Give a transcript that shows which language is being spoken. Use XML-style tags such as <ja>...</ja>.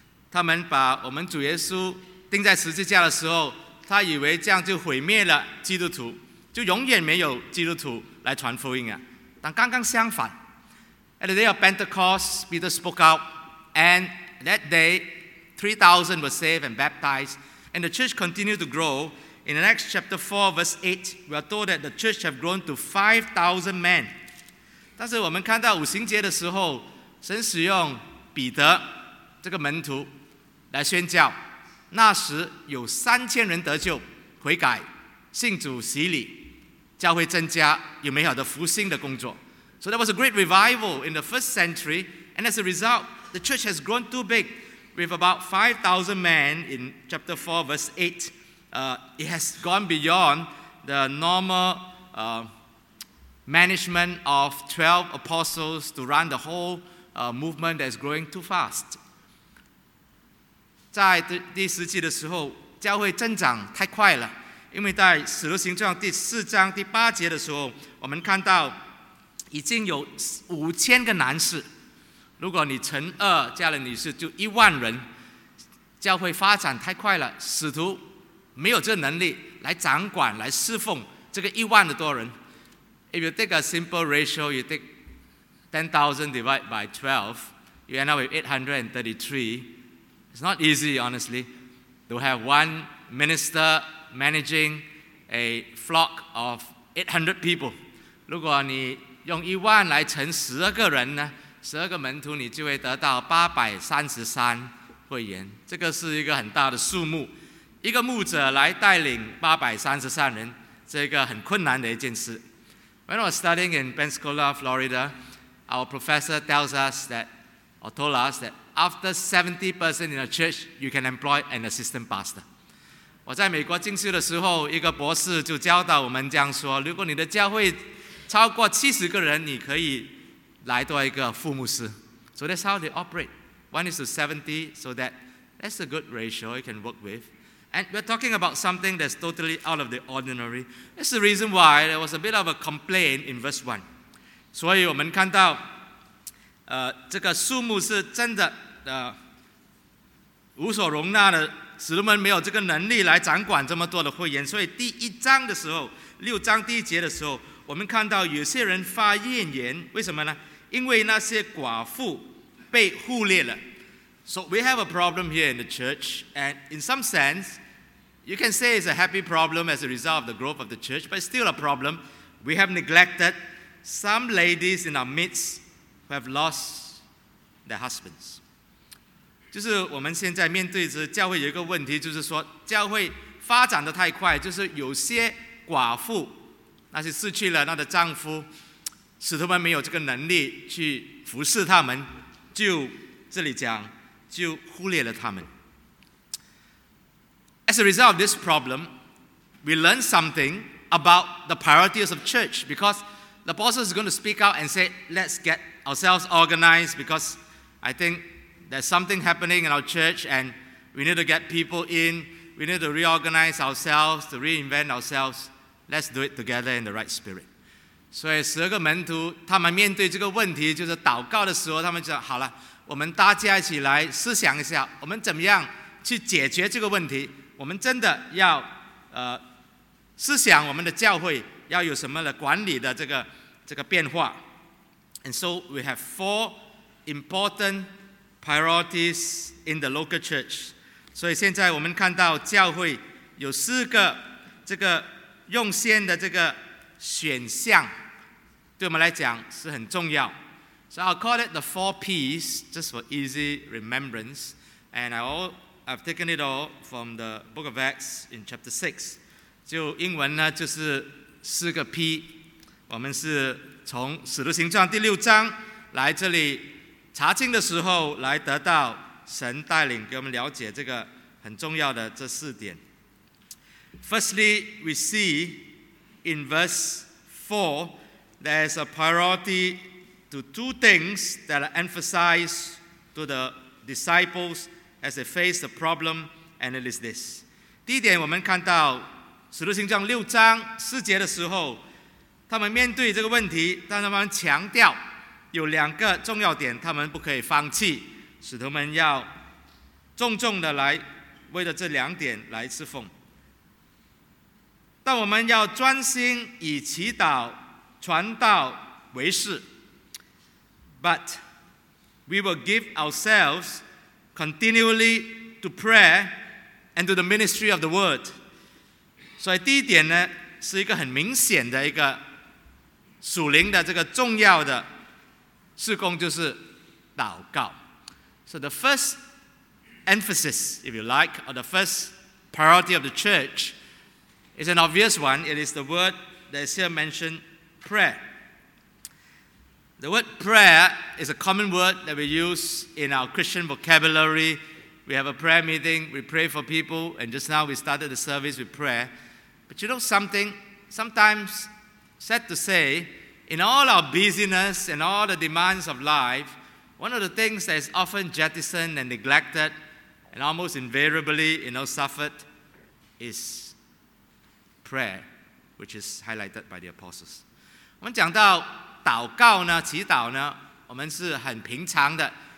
<zh>他们把我们主耶稣钉在十字架的时候，他以为这样就毁灭了基督徒，就永远没有基督徒来传福音啊。但刚刚相反，</zh> <en>at the day of Pentecost, Peter spoke out, and that day, 3,000 were saved and baptized, and the church continued to grow. In the next chapter 4, verse 8, we are told that the church have grown to 5,000 men.</en> <zh>但是我们看到五旬节的时候，神使用彼得这个门徒来宣教，那时有3000人得救悔改信主洗礼，教会增加，有美好的复兴的工作。</zh> <en>So there was a great revival in the first century, and as a result the church has grown too big. With about 5,000 men in chapter 4 verse 8, it has gone beyond the normal management of 12 apostles to run the whole movement that is growing too fast.</en> <zh>在第十季的时候，教会增长太快了，因为在《使徒行传》第四章第八节的时候，我们看到已经有5000个男士，如果你乘二加了女士，就10000人。教会发展太快了，使徒没有这个能力来掌管、来侍奉这个10000的多人。</zh> <en>If you take a simple ratio, you take 10,000 divided by 12, you end up with 833. It's not easy, honestly, to have one minister managing a flock of 800 people.</en> <zh>如果你用一万来乘12个人呢，十二个门徒，你就会得到833会员。这个是一个很大的数目，一个牧者来带领833人，这个很困难的一件事。</zh> <en>When I was studying in Pensacola, Florida, our professor tells us that, or told us that after 70 persons in a church, you can employ an assistant pastor.</en> <zh>我在美国进修的时候，一个博士就教导我们这样说，如果你的教会超过70个人，你可以来多一个副牧师。</zh> <en>So that's how they operate. One is to 70, so that's a good ratio you can work with. And we're talking about something that's totally out of the ordinary. That's the reason why there was a bit of a complaint in verse 1.</en> <zh>所以我们看到这个数目是真的无所容纳的，使徒们没有这个能力来掌管这么多的会员。所以第一章的时候，六章第一节的时候，我们看到有些人发怨言，为什么呢？因为那些寡妇被忽略了。</zh> <en>So we have a problem here in the church, and in some sense you can say it's a happy problem as a result of the growth of the church, but it's still a problem. We have neglected some ladies in our midst who have lost their husbands.</en> <zh>就是我们现在面对着教会有一个问题，就是说教会发展得太快，就是有些寡妇，那些失去了她的丈夫，使徒们没有这个能力去服侍他们，就这里讲就忽略了他们。</zh> <en>As a result of this problem, we learn something about the priorities of church, because the apostles are going to speak out and say, let's get ourselves organized, because I think there's something happening in our church and we need to get people in, we need to reorganize ourselves, to reinvent ourselves, let's do it together in the right spirit.</en> <zh>所以十二个门徒他们面对这个问题，就是祷告的时候，他们就说好了，我们大家一起来思想一下，我们怎么样去解决这个问题。我们真的要思想我们的教会要有什么的管理的这个变化。</zh> <en>And so we have 4 important priorities in the local church.</en> <zh>所以现在我们看到教会有四个这个用先的这个选项，对我们来讲是很重要。</zh> <en>So I'll call it the 4 P's just for easy remembrance, and I've taken it all from the book of Acts in chapter 6.</en> <zh>就英文呢就是四个 P, 我们是从使徒行传第六章来这里查经的时候来得到神带领，给我们了解这个很重要的这四点。</zh> <en>Firstly, we see in verse 4, there is a priority to 2 things that are emphasized to the disciples as they face the problem, and it is this.</en> <zh>第一点，我们看到使徒行传六章四节的时候，他们面对这个问题，但他们强调有两个重要点，他们不可以放弃。使徒们要重重的来为了这两点来侍奉。但我们要专心以祈祷传道为事。</zh> <en>But we will give ourselves continually to prayer and to the ministry of the word.</en> <zh>所以第一点呢，是一个很明显的一个属灵的这个重要的事工就是祷告。</zh> <en>So the first emphasis, if you like, or the first priority of the church is an obvious one. It is the word that is here mentioned, prayer. The word prayer is a common word that we use in our Christian vocabulary. We have a prayer meeting, we pray for people, and just now we started the service with prayer. But you know something? Sometimes, sad to say, in all our busyness and all the demands of life, one of the things that is often jettisoned and neglected and almost invariably, you know, suffered is prayer, which is highlighted by the apostles.</en> <zh>我们讲到祷告呢，祈祷呢，我们是很平常的。</zh>